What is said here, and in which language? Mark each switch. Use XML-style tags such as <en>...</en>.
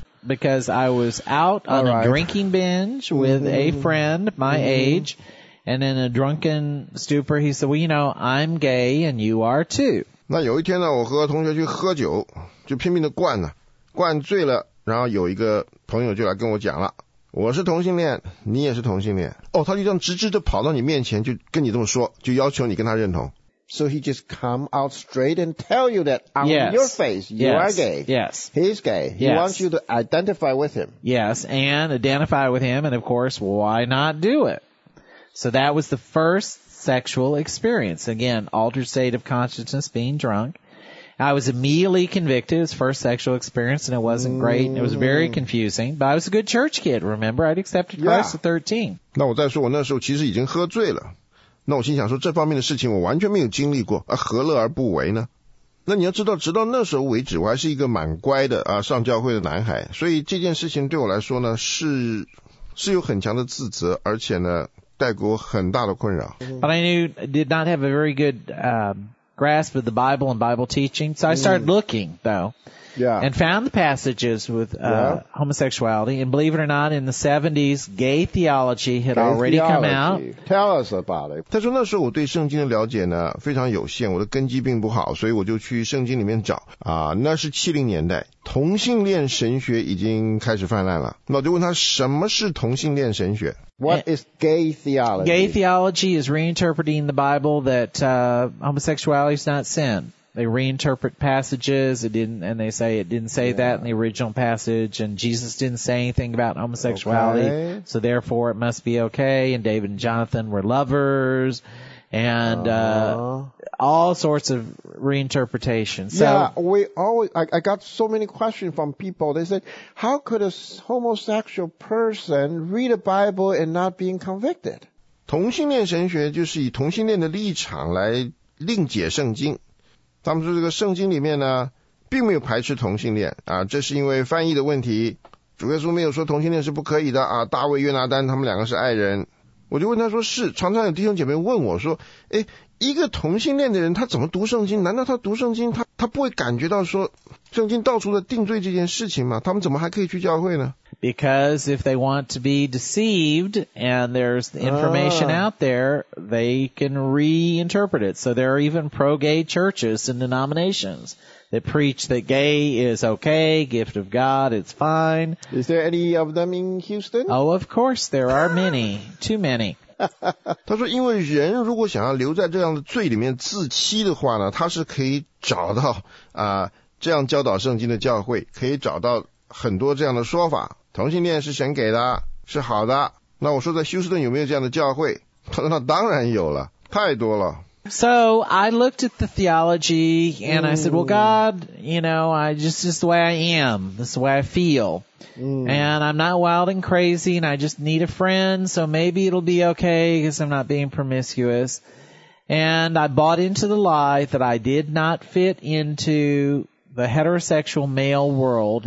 <en>Because I was out on a drinking binge with a friend my age, and in a drunken stupor, he said, well, you know, I'm gay and you are too.</en> <zh>那有一天呢，我和同学去喝酒，就拼命的灌呢，灌醉了，然后有一个朋友就来跟我讲了，我是同性恋，你也是同性恋。哦，他就这样直直的跑到你面前，就跟你这么说，就要求你跟他认同。</zh> <en>So he just come out straight and tell you that on your face, you are gay. Yes. He's gay. He wants you to identify with him. Yes, and identify with him, and of course, why not do it? So that was the first sexual experience. Again, altered state of consciousness, being drunk. I was immediately convicted. It was first sexual experience, and it wasn't great, and it was very confusing. But I was a good church kid, remember? I'd accepted Christ at 13.</en> <zh>那我再说，我那时候其实已经喝醉了。那我心想说这方面的事情我完全没有经历过啊，何乐而不为呢？那你要知道直到那时候为止我还是一个蛮乖的啊，上教会的男孩，所以这件事情对我来说呢是有很强的自责，而且呢带给我很大的困扰。</zh> <en>But I knew I did not have a very good grasp of the Bible and Bible teaching, so I started looking though. Yeah. And found the passages with homosexuality. And believe it or not, in the 70s, gay theology had already come out. Tell us about it.</en> <zh>他说那时候我对圣经的了解呢非常有限，我的根基并不好，所以我就去圣经里面找。那是70年代，同性恋神学已经开始泛滥了。那我就问他什么是同性恋神学？</zh> <en>What is gay theology? Gay theology is reinterpreting the Bible that homosexuality is not sin. They reinterpret passages, and they say it didn't say that in the original passage, and Jesus didn't say anything about homosexuality, so therefore it must be okay, and David and Jonathan were lovers, and all sorts of reinterpretations. So, yeah, we always, I got so many questions from people. They said, how could a homosexual person read a Bible and not being convicted?</en> <zh>同性恋神学就是以同性恋的立场来另解圣经。他们说这个圣经里面呢并没有排斥同性恋啊，这是因为翻译的问题，主耶稣没有说同性恋是不可以的啊，大卫约拿丹他们两个是爱人。我就问他说是，常常有弟兄姐妹问我说，诶，一个同性恋的人他怎么读圣经，难道他读圣经他不会感觉到说圣经道出了定罪这件事情吗？他们怎么还可以去教会呢？</zh> <en>Because if they want to be deceived and there's information out there, they can reinterpret it. So there are even pro-gay churches and denominations that preach that gay is okay, gift of God, it's fine. Is there any of them in Houston? Oh, of course, there are many, too many.</en> <zh>他说因为人如果想要留在这样的罪里面自欺的话呢，他是可以找到这样教导圣经的教会，可以找到很多这样的说法，同性恋是神给的，是好的。那我说在休斯顿有没有这样的教会，他说那当然有了，太多了。</zh> <en>So I looked at the theology and I said, well, God, you know, I just, this is the way I am. This is the way I feel. And I'm not wild and crazy and I just need a friend. So maybe it'll be okay because I'm not being promiscuous. And I bought into the lie that I did not fit into the heterosexual male world.</en>